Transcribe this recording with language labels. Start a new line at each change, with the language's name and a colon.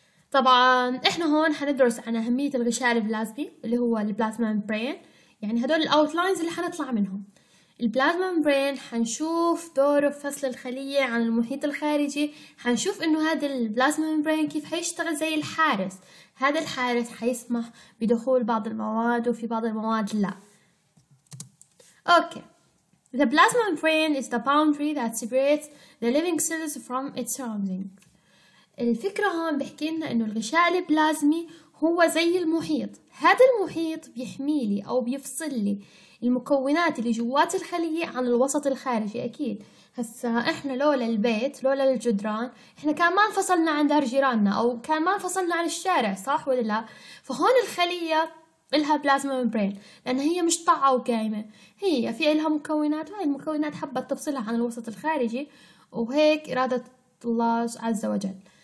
Arabic: طبعا احنا هون حندرس عن اهمية الغشاء البلازمي اللي هو البلازما ممبرين، يعني هدول الاوتلاينز اللي حنطلع منهم. البلازما ممبرين حنشوف دوره في فصل الخلية عن المحيط الخارجي، حنشوف انه هذا البلازما ممبرين كيف حيشتغل زي الحارس. هذا الحارس حيسمح بدخول بعض المواد وفي بعض المواد لا.
English: Okay, the plasma membrane is the boundary that separates the living cells from its surroundings.
Arabic: الفكرة هون بحكي لنا انه الغشاء البلازمي هو زي المحيط، هذا المحيط بيحمي لي او بيفصل لي المكونات اللي جوات الخلية عن الوسط الخارجي. اكيد هسا احنا لولا البيت، لولا الجدران، احنا كان ما انفصلنا عن دار جيراننا او كان ما انفصلنا عن الشارع، صح ولا لا؟ فهون الخلية لها بلازما ممبرين لان هي مش طاعة وقائمة، هي في لها مكونات وهي المكونات حابه تفصلها عن الوسط الخارجي، وهيك ارادة الله عز وجل.